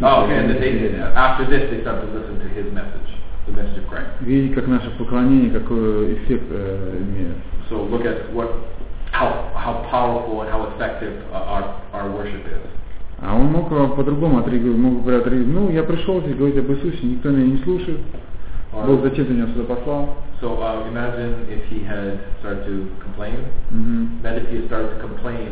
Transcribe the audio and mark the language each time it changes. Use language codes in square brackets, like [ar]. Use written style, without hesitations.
[en] Oh, okay, and after this they started to listen to his message, the message of Christ. [ru] Видите, как наше поклонение какой эффект имеет. [en] So look at how powerful and how effective our worship is. [ru] А он мог по-другому отреагировать, мог бы отреагировать. Ну, я пришел здесь говорить об Иисусе, никто меня не слушает. Бог зачем ты меня сюда послал? [en] So, imagine if he had started to complain. Mm-hmm. That if he had started to complain,